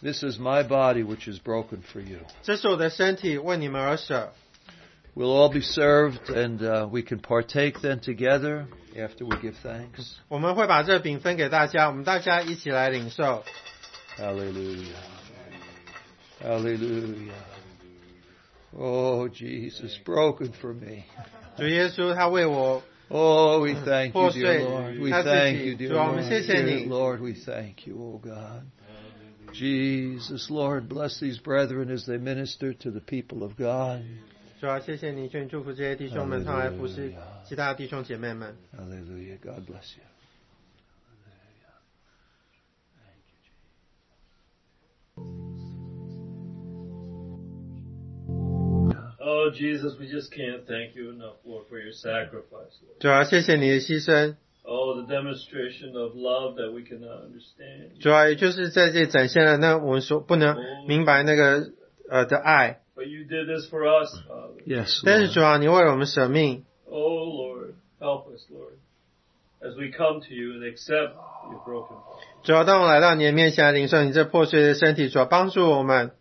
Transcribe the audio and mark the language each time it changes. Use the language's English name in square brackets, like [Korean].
[English] This is my body which is broken for you. [Chinese] 这是我的身体，为你们而舍。 [English] We'll all be served and we can partake then together after we give thanks. [Chinese] 我们会把这饼分给大家，我们大家一起来领受。 [English] Hallelujah. Hallelujah. Oh, Jesus, broken for me. [Chinese] 主耶稣他为我 [English] Oh, we thank you, dear Lord. We thank you, dear Lord. [Chinese] 主啊，我们谢谢你。 [English] Dear Lord, we thank you, oh God. Jesus, Lord, bless these brethren as they minister to the people of God. [Chinese] 主啊，谢谢你，求你祝福这些弟兄们，他来服侍其他弟兄姐妹们。 [English] Hallelujah. God bless you. Oh, Jesus, we just can't thank you enough, Lord, for your sacrifice, Lord. [Chinese] 主啊，谢谢你的牺牲。 [English] Oh, the demonstration of love that we cannot understand. [Chinese] 主啊，也就是在这展现了那我们所不能明白那个的爱。 [English] But you did this for us, Father. Yes, Lord. [Chinese] 但是主啊，你为我们舍命。 [English] Oh, Lord, help us, Lord, as we come to you and accept your broken body. [Chinese] 主啊，当我来到你的面前来领受你这破碎的身体，主啊，帮助我们。